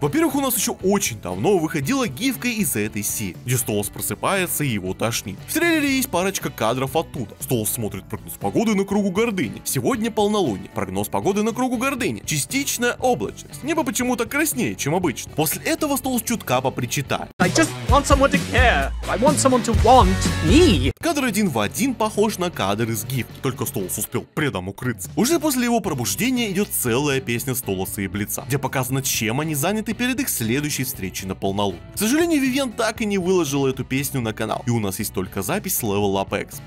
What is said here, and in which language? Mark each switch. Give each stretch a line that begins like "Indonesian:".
Russian: Во-первых, у нас еще очень давно выходила гифка из этой серии, где Столас просыпается и его тошнит. В трейлере есть парочка кадров оттуда. Столас смотрит прогноз погоды на кругу гордыни. Сегодня полнолуние. Прогноз погоды на кругу гордыни. Частичная облачность. Небо почему-то краснее, чем обычно. После этого Столас чутка попричитает.
English: I just want someone to care. I want someone to want me.
Russian: Кадр один в один похож на кадр из гифки, только Столас успел предом укрыться. Уже после его пробуждения идет целая песня Столаса и Блица, где показано, чем они заняты перед их следующей встречи на полнолуние. К сожалению, Вивьен так и не выложила эту песню на канал. И у нас есть только запись с Level Up Expo.